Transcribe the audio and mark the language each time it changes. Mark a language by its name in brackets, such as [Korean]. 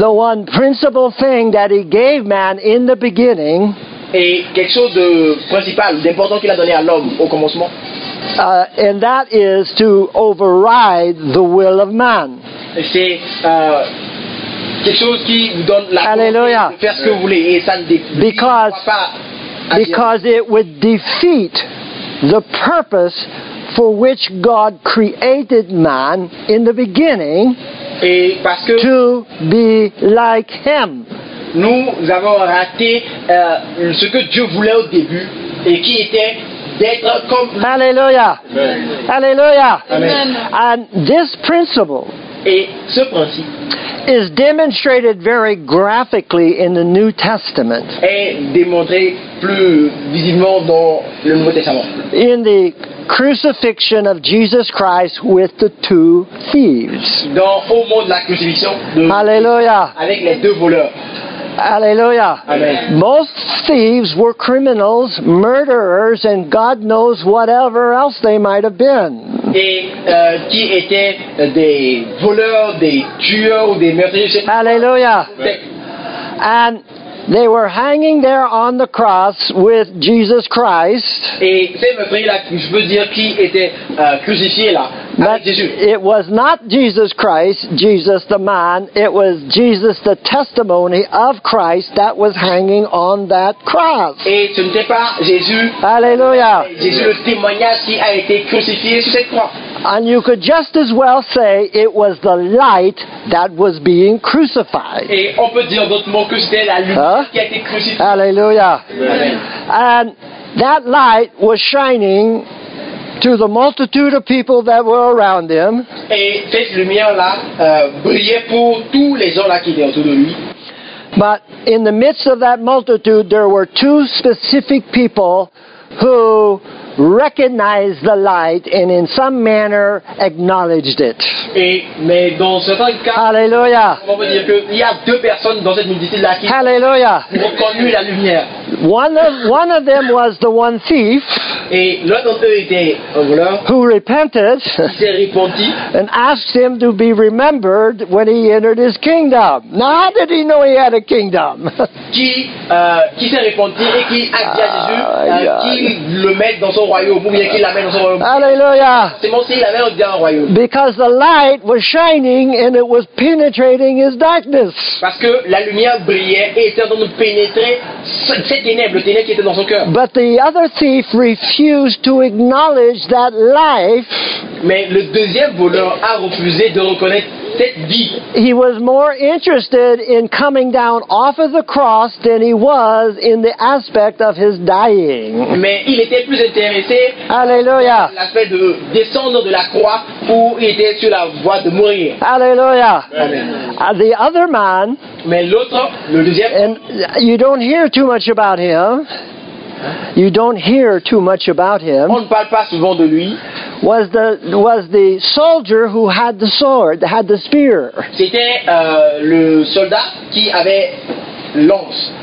[English] The one principal thing that he gave man in the beginning, [French] et quelque chose de principal, d'important qu'il a donné à l'homme au commencement, [English] And that is to override the will of man. [French] C'est quelque chose qui vous donne la Alleluia. Volonté de faire ce que vous voulez et ça ne défie pas. [English] Because it would defeat the purpose for which God created man in the beginning, [French] et parce que [English] to be like him. [French] Nous avons raté ce que Dieu voulait au début et qui était d'être comme lui. Hallelujah. Amen. Hallelujah. Amen. [English] And this principle, [French] et ce principe [English] is demonstrated very graphically in the New Testament. [French] Est démontré plus visiblement dans le Nouveau Testament. [English] In the crucifixion of Jesus Christ with the two thieves. [French] Dans au moment de la crucifixion de Hallelujah. Avec les deux voleurs. Hallelujah. Amen. Most thieves were criminals, murderers, and God knows whatever else they might have been. Et qui étaient des voleurs, des tueurs ou des meurtriers. Hallelujah. [English] And they were hanging there on the cross with Jesus Christ. [French] Et ces meurtriers-là, je veux dire qui étaient crucifiés là. [English] But it was not Jesus Christ, Jesus the man. It was Jesus, the testimony of Christ that was hanging on that cross. [French] Et ce n'était pas Jésus. Hallelujah. Jésus, le témoignage qui a été crucifié sur cette croix. [English] And you could just as well say it was the light that was being crucified. [French] Et on peut dire d'autres mots que c'était la lumière qui a été crucifiée. Hallelujah. Amen. [English] And that light was shining to the multitude of people that were around him. [French] Et cette lumière-là brillait pour tous les gens-là qui étaient autour de lui. [English] But in the midst of that multitude, there were two specific people who recognized the light and in some manner acknowledged it. [French] Mais dans certains cas, Hallelujah. On peut dire qu'il y a deux personnes dans cette multitude-là qui Hallelujah. Ont reconnu la lumière. [English] One of them was the one thief. [French] Et l'un d'entre eux était un voleur. [English] Who repented? [French] Qui s'est repenti. [English] And asked him to be remembered when he entered his kingdom. Now, how did he know he had a kingdom? [French] Qui s'est repenti et qui a dit à Jésus qui le met dans son royaume ou bien qui l'amène dans son royaume? Alléluia. C'est bon, s'il l'amène dans son royaume. [English] Because the light was shining and it was penetrating his darkness. [French] Parce que la lumière brillait et était en train de pénétrer. [English] But the other thief refused to acknowledge that life. [French] Mais le deuxième voleur a refusé de reconnaître cette vie. [English] He was more interested in coming down off of the cross than he was in the aspect of his dying. [French] Mais il était plus intéressé Hallelujah. À l'aspect de descendre de la croix où il était sur la voie de mourir. Hallelujah. Amen. [English] The other man, [French] mais l'autre, le deuxième, [English] and you don't hear too much about him. you don't hear too much about him, [French] on ne parle pas souvent de lui. [English] Was the soldier who had the sword, had the spear. [French] C'était le soldat qui avait lance.